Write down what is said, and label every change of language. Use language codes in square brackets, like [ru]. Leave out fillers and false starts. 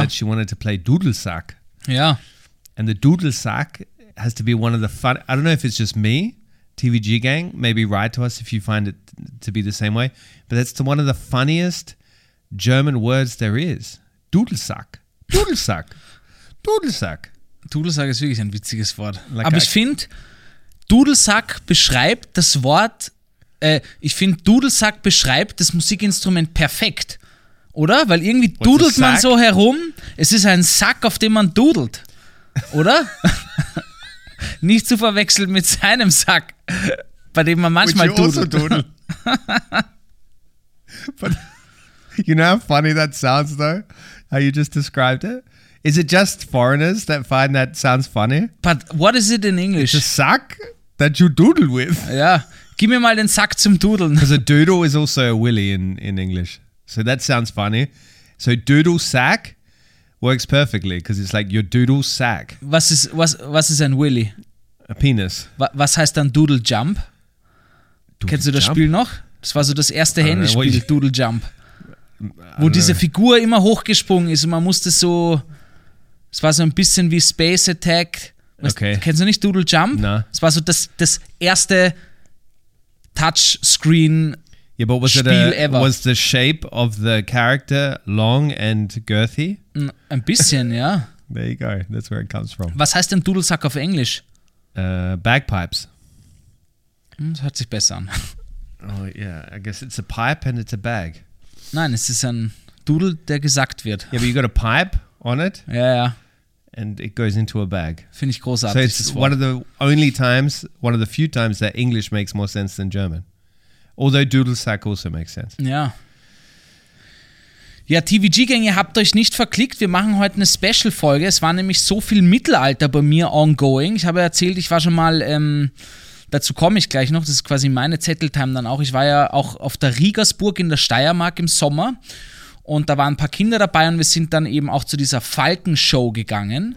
[en] that she wanted to play Dudelsack. Yeah. And the Dudelsack has to be one of the fun. I don't know if it's just me, TVG gang, maybe write to us if you find it to be the same way, but that's one of the funniest German words there is. [de] Dudelsack. Dudelsack. Dudelsack. Dudelsack ist wirklich ein witziges Wort. Like aber ich finde, Dudelsack beschreibt das Wort, ich finde, Dudelsack beschreibt das Musikinstrument perfekt, oder? Weil irgendwie What's dudelt man so herum, es ist ein Sack, auf dem man dudelt, oder? Nicht zu verwechseln mit seinem Sack, bei dem man manchmal dudelt. [en] But you know how funny that sounds though, how you just described it? Is it just foreigners that find that sounds funny? But what is it in English? It's a sack that you doodle with. [de] Yeah, gib mir mal den Sack zum Dudeln. [en] Because a doodle is also a willy in English. So that sounds funny. So doodle sack works perfectly because it's like your doodle sack. [de] Was ist ein willy? [en] A penis. [de] Was heißt dann doodle jump? Doodle Kennst jump? Du das Spiel noch? Das war so das erste Handyspiel, Doodle Jump. Wo diese Figur immer hochgesprungen ist und man musste so, es war so ein bisschen wie Space Attack. Okay. Kennst du nicht Doodle Jump? Nein. Es war so das erste Touchscreen-Spiel [en] yeah, but was [de] Spiel [en] it a, ever. Was the shape of the character long and girthy? [de] Ein bisschen, ja. [en] There you go, that's where it comes from. [de] Was heißt denn Dudelsack auf Englisch? [en] Bagpipes. [de] Das hört sich besser an. [en] Oh yeah, I guess it's a pipe and it's a bag. [de] Nein, es ist ein Dudel, der gesackt wird. [en] Yeah, but you got a pipe on it. [de] Ja, ja. [en] And it goes into a bag. [de] Finde ich großartig. [en] So it's one of the only times, one of the few times that English makes more sense than German. Although Dudelsack also makes sense. [de] Ja. Ja, TVG-Gang, ihr habt euch nicht verklickt. Wir machen heute eine Special-Folge. Es war nämlich so viel Mittelalter bei mir ongoing. Ich habe erzählt, ich war schon mal... dazu komme ich gleich noch, das ist quasi meine Zetteltime dann auch. Ich war ja auch auf der Riegersburg in der Steiermark im Sommer und da waren ein paar Kinder dabei und wir sind dann eben auch zu dieser Falkenshow gegangen.